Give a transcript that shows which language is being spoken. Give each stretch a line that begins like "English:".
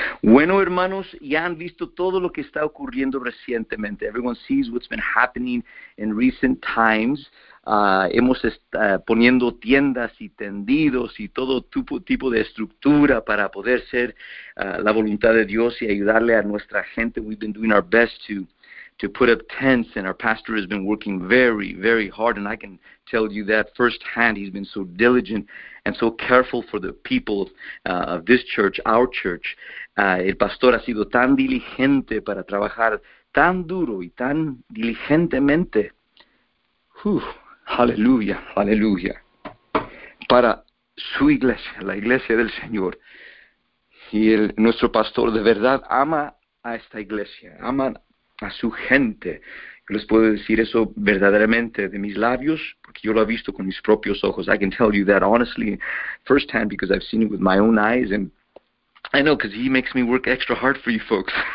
Spanish: Bueno, hermanos, ya han visto todo lo que está ocurriendo recientemente.
English: Everyone sees what's been happening in recent times.
Spanish: Hemos estado poniendo tiendas y tendidos y todo tipo de estructura para poder ser la voluntad de Dios y ayudarle a nuestra gente.
English: We've been doing our best to put up tents, and our pastor has been working very, very hard, and I can tell you that firsthand. He's been so diligent and so careful for the people of this church, our church.
Spanish: El pastor ha sido tan diligente para trabajar tan duro y tan diligentemente. Whew, hallelujah, hallelujah. Para su iglesia, la iglesia del Señor. Y nuestro pastor de verdad ama a esta iglesia, ama a su gente. Yo les puedo decir eso verdaderamente de mis labios, porque yo lo he visto con mis propios ojos.
English: I can tell you that honestly, firsthand, because I've seen it with my own eyes. And I know, because he makes me work extra hard for you folks.